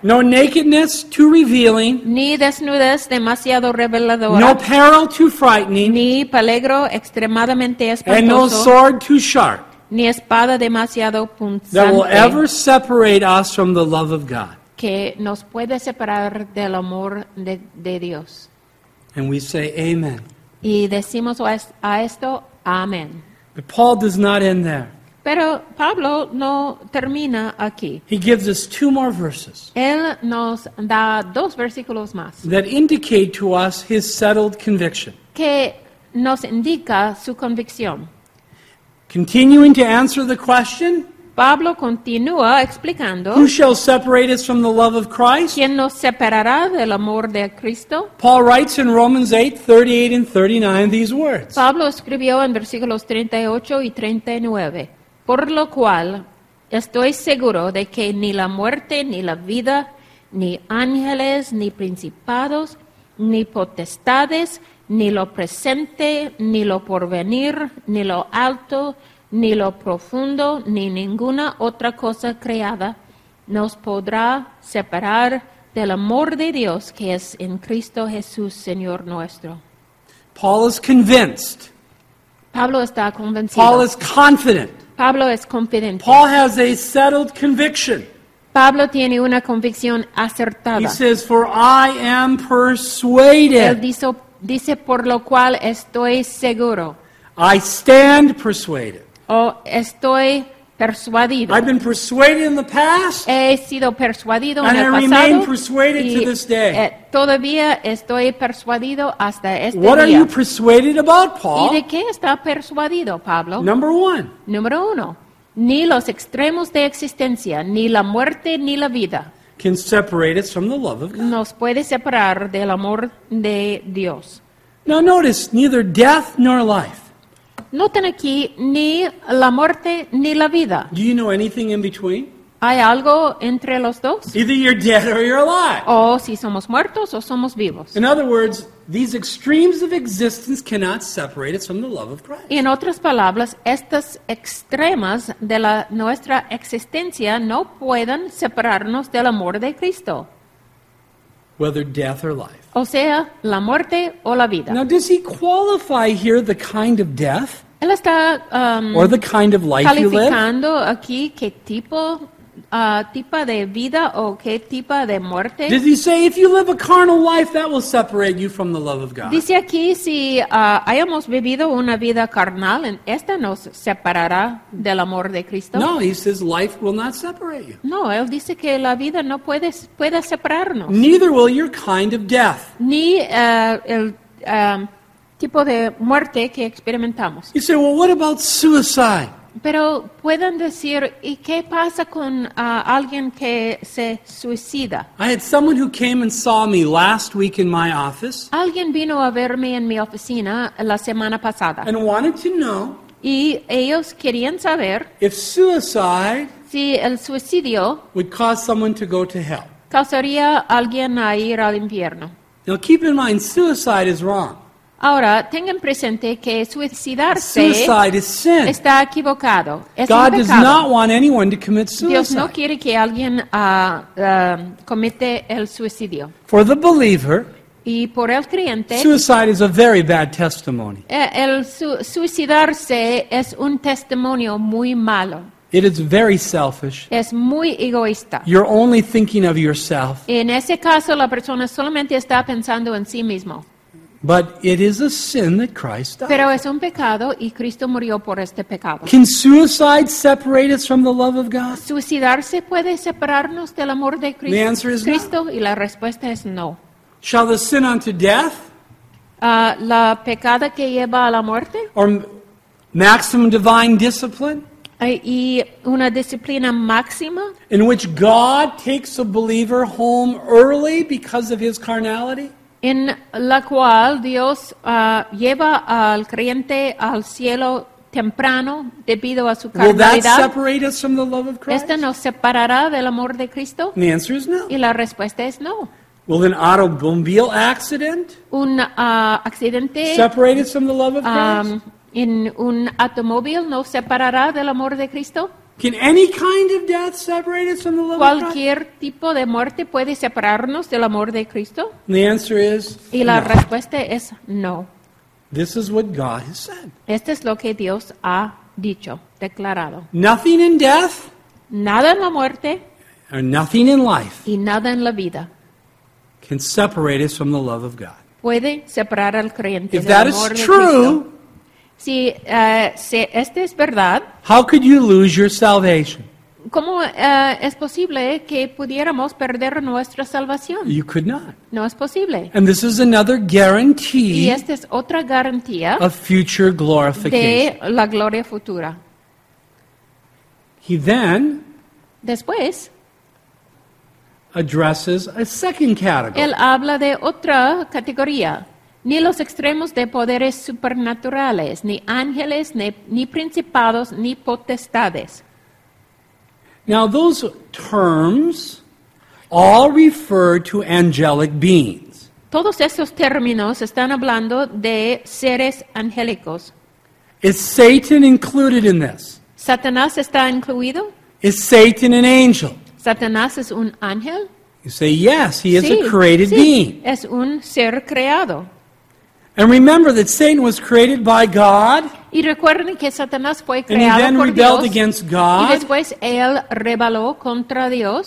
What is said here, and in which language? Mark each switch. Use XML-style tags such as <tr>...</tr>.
<en>No nakedness too revealing.</en> <es>Ni desnudez demasiado reveladora.</es> <en>No peril too frightening.</en> <es>Ni peligro extremadamente espantoso.</es> <en>And no sword too sharp.</en> <es>Ni espada demasiado punzante.</es> <en>That will ever separate us from the love of God.</en> <es>Que nos puede separar del amor de Dios.</es> <en>And we say amen.</en> <es>Y decimos a esto, amén.</es> <en>But Paul does not end there.</en> <es>Pero Pablo no termina aquí.</es> <en>He gives us two more verses.</en> <es>Él nos da dos versículos más.</es> <en>That indicate to us his settled conviction.</en> <es>Que nos indica su convicción.</es> <en>Continuing to answer the question,</en> <es>Pablo continúa explicando,</es> <en>who shall separate us from the love of Christ?</en> <es>¿Quién nos separará del amor de Cristo?</es> <en>Paul writes in Romans 8, 38 and 39 these words.</en> <es>Pablo escribió en versículos 38 y 39, por lo cual estoy seguro de que ni la muerte, ni la vida, ni ángeles, ni principados, ni potestades, ni lo presente, ni lo porvenir, ni lo alto, ni lo profundo, ni ninguna otra cosa creada nos podrá separar del amor de Dios que es en Cristo Jesús, Señor nuestro.</es> <en>Paul is convinced.</en> <es>Pablo está convencido.</es> <en>Paul is confident.</en> <es>Pablo es confidente.</es> <en>Paul has a settled conviction.</en> <es>Pablo tiene una convicción acertada.</es> <en>He says, for I am persuaded.</en> <es>Él dice, por lo cual estoy seguro.</es> <en>I stand persuaded.</en> <es>Oh, estoy persuadido.</es> <en>I've been persuaded in the past.</en> <es>He sido persuadido en el pasado.</es> <en>And I remain persuaded to this day.</en> <es>Todavía estoy persuadido hasta este día.</es> <en>What are you persuaded about, Paul?</en> <es>¿Y de qué está persuadido, Pablo?</es> <en>Number one.</en> <es>Número uno. Ni los extremos de existencia, ni la muerte, ni la vida,</es> <en>can separate us from the love of God.</en> <es>Nos puede separar del amor de Dios.</es> <en>Now notice, neither death nor life.</en> <es>Noten aquí, ni la muerte, ni la vida.</es> <en>Do you know anything in between?</en> <es>¿Hay algo entre los dos?</es> <en>Either you're dead or you're alive.</en> <es>O si somos muertos o somos vivos.</es> <en>In other words, these extremes of existence cannot separate us from the love of Christ.</en> <es>En otras palabras, estas extremas de la nuestra existencia no pueden separarnos del amor de Cristo.</es> <en>Whether death or life.</en> <es>O sea, la muerte o la vida.</es> <en>Now, does he qualify here the kind of death?</en> <es>Él está</es> <en>or the kind of life</en> <es>calificando</es> <en>you live?</en> <es>Aquí qué tipo tipo de vida o qué tipo de muerte.</es> <en>Does he say if you live a carnal life that will separate you from the love of God?</en> <es>Dice aquí si hayamos vivido una vida carnal, esta nos separará del amor de Cristo.</es> <en>No, he says life will not separate you.</en> <es>No, él dice que la vida no puede separarnos.</es> <en>Neither will your kind of death.</en> <es>Ni el tipo de muerte que experimentamos.</es> <en>You say, well, what about suicide?</en> <es>Pero pueden decir, ¿y qué pasa con alguien que se suicida?</es> <en>I had someone who came and saw me last week in my office.</en> <es>Alguien vino a verme en mi oficina la semana pasada.</es> <en>And wanted to know.</en> <es>Y ellos querían saber.</es> <en>If suicide.</en> <es>Si el suicidio.</es> <en>Would cause someone to go to hell.</en> <es>Causaría a alguien a ir al infierno.</es> <en>Now keep in mind, suicide is wrong.</en> <es>Ahora, tengan presente que suicidarse</es> <en>suicide is sin.</en> <es>Está equivocado. Es</es> <en>God</en> <es>un pecado.</es> <en>Does not want anyone to commit suicide.</en> <es>Dios no quiere que alguien comete el suicidio.</es> <en>For the believer,</en> <es>y por el creyente,</es> <en>suicide is a very bad testimony.</en> <es>El suicidarse es un testimonio muy malo.</es> <en>It is very selfish.</en> <es>Es muy egoísta.</es> <en>You're only thinking of yourself.</en> <es>En ese caso, la persona solamente está pensando en sí mismo.</es> <en>But it is a sin that Christ died.</en> <es>Pero es un pecado y Cristo murió por este pecado.</es> <en>Can suicide separate us from the love of God?</en> <es>¿Suicidarse puede separarnos del amor de Cristo?</es> <en>The answer is</en> <es>Cristo,</es> <en>no.</en> <es>Y la respuesta es no.</es> <en>Shall the sin unto death?</en> <es>La pecada que lleva a la muerte?</es> <en>Or maximum divine discipline?</en> <es>Y una disciplina máxima?</es> <en>In which God takes a believer home early because of his carnality?</en> <es>En la cual Dios lleva al creyente al cielo temprano debido a su carnalidad. ¿Esto nos separará del amor de Cristo?</es> <en>The answer is no.</en> <es>Y la respuesta es no.</es> <en>Will an automobile accident?</en> <es>Un accidente.</es> <en>Separate us from the love of Christ?</en> <es>En un automóvil nos separará del amor de Cristo.</es> <en>Can any kind of death separate us from the love</en> <es>cualquier</es> <en>of Christ?</en> <es>Tipo de muerte puede separarnos del amor de Cristo?</es> <en>And the answer is</en> <es>y la</es> <en>no.</en> <es>Respuesta es no.</es> <en>This is what God has said.</en> <es>Esto es lo que Dios ha dicho, declarado.</es> <en>Nothing in death.</en> <es>Nada en la muerte.</es> <en>And nothing in life.</en> <es>Y nada en la vida.</es> <en>Can separate us from the love of God.</en> <es>Puede separar al creyente</es> <en>if</en> <es>del amor de Cristo.</es> <en>If that is true.</en> <es>Si, si este es verdad,</es> <en>how could you lose your salvation?</en> <es>¿Cómo es posible que pudiéramos perder nuestra salvación?</es> <en>You could not.</en> <es>No es posible.</es> <en>And this is another guarantee.</en> <es>Y esta es otra garantía</es> <en>of future glorification.</en> <es>De la gloria futura.</es> <en>He then</en> <es>después</es> <en>addresses a second category.</en> <es>Él habla de otra categoría. Ni los extremos de poderes supernaturales, ni ángeles, ni principados, ni potestades.</es> <en>Now those terms all refer to angelic beings.</en> <es>Todos esos términos están hablando de seres angélicos.</es> <en>Is Satan included in this?</en> <es>¿Satanás está incluido?</es> <en>Is Satan an angel?</en> <es>¿Satanás es un ángel?</es> <en>You say yes, he is</en> <es>sí,</es> <en>a created</en> <es>sí,</es> <en>being.</en> <es>Es un ser creado.</es> <en>And remember that Satan was created by God.</en> <es>Y recuerden que Satanás fue creado por</es> <en>Dios. And he then rebelled</en> <es>Dios,</es> <en>against God.</en> <es>Y después él rebeló contra Dios.</es>